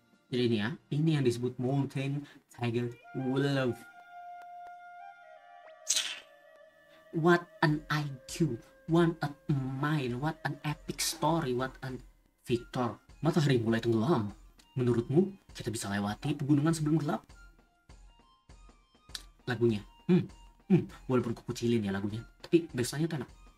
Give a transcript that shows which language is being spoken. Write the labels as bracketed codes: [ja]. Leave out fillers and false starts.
[id] Jadi ini ya, ini yang disebut Mountain Tiger Wolf. [en] What an IQ, what a mind, what an epic story, what an victor. [id] Matahari mulai tenggelam. Menurutmu, kita bisa lewati pegunungan sebelum gelap? Lagunya, walaupun kukucilin ya lagunya, tapi biasanya tuh enak.